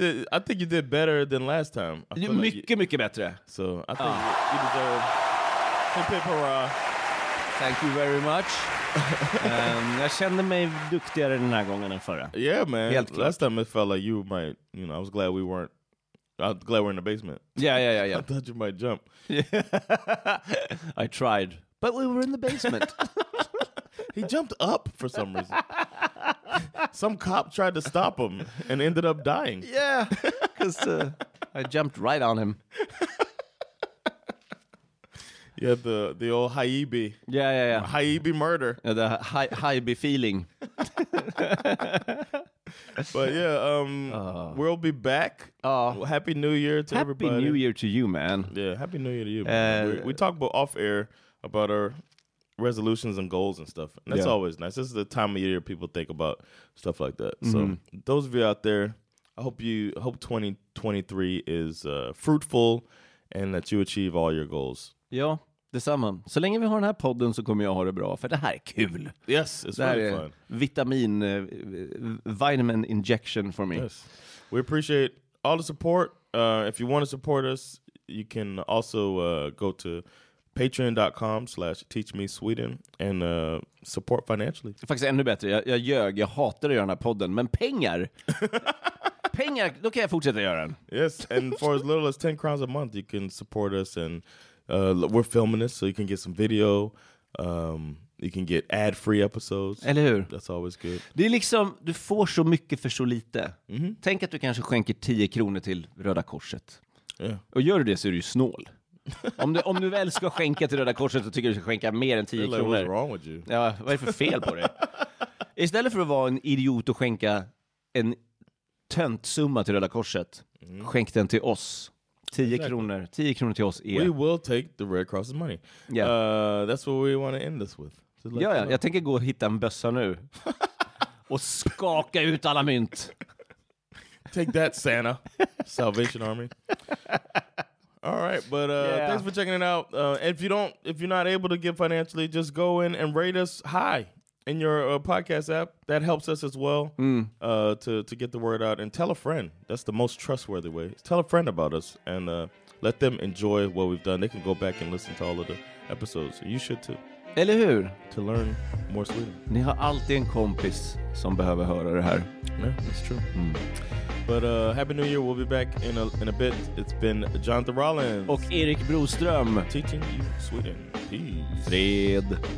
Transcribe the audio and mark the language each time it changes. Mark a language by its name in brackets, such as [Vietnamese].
[English] did, I think you did better than last time. [Swedish] Mycket bättre. [English] So I think you deserve some pepora. Thank you very much. [Swedish] jag kände mig duktigare den här gången än förra. [English] Yeah, man. [Swedish] Helt klart. [English] Last time it felt like you might, you know, I was glad we weren't. I'm glad we're in the basement. Yeah. I thought you might jump. Yeah. I tried, but we were in the basement. He jumped up for some reason. Some cop tried to stop him and ended up dying. Yeah, because I jumped right on him. Yeah, the old Haibi. Yeah. Haibi murder. Yeah, the Haibi feeling. But yeah, we'll be back. Happy New Year to everybody. Happy New Year to you, man. Yeah, Happy New Year to you. We talk about off air about our resolutions and goals and stuff. And that's always nice. This is the time of year people think about stuff like that. Mm-hmm. So those of you out there, I hope 2023 is fruitful and that you achieve all your goals. [Swedish] Ja, detsamma. Så länge vi har den här podden så kommer jag ha det bra, för det här är kul. [English] Yes, it's really fun. Vitamin, vitamin injection for me. Yes. We appreciate all the support. If you want to support us, you can also go to patreon.com/teachmesweden and support financially. [Swedish] Faktiskt ännu bättre. Jag ljög. Jag hatar att göra den här podden, men pengar. Pengar, då kan jag fortsätta göra den. [English] Yes, and for as little as 10 crowns a month, you can support us and we're filming this, so you can get some video. You can get ad-free episodes. [Swedish] Eller hur? [English] That's always good. [Swedish] Det är liksom, du får så mycket för så lite. Mm-hmm. Tänk att du kanske skänker 10 kronor till Röda Korset. [English] Yeah. [Swedish] Och gör du det så är du ju snål. om du väl ska skänka till Röda Korset så tycker du ska skänka mer än 10 kronor. [English] What's wrong with you? [Swedish] Ja, vad är det för fel på det? Istället för att vara en idiot och skänka en tönt summa till Röda Korset, skänk den till oss. 10 exactly. kronor. 10 kronor till oss är... [English] We will take the Red Cross's money. Yeah. That's what we want to end this with. [Swedish] Ja. Jag tänker gå och hitta en bössa nu. Och skaka ut alla mynt. [English] Take that, Santa. Salvation Army. All right, but thanks for checking it out. If you're not able to give financially, just go in and rate us high in your podcast app. That helps us as well to get the word out. And tell a friend. That's the most trustworthy way. Tell a friend about us and let them enjoy what we've done. They can go back and listen to all of the episodes. You should too. [Swedish] Eller hur? [English] To learn more Sweden. [Swedish] Ni har alltid en kompis som behöver höra det här. [English] Yeah, that's true. Mm. But Happy New Year. We'll be back in a bit. It's been Jonathan Rollins. [Swedish] Och Erik Broström. [English] Teaching you Sweden. Peace. [Swedish] Fred.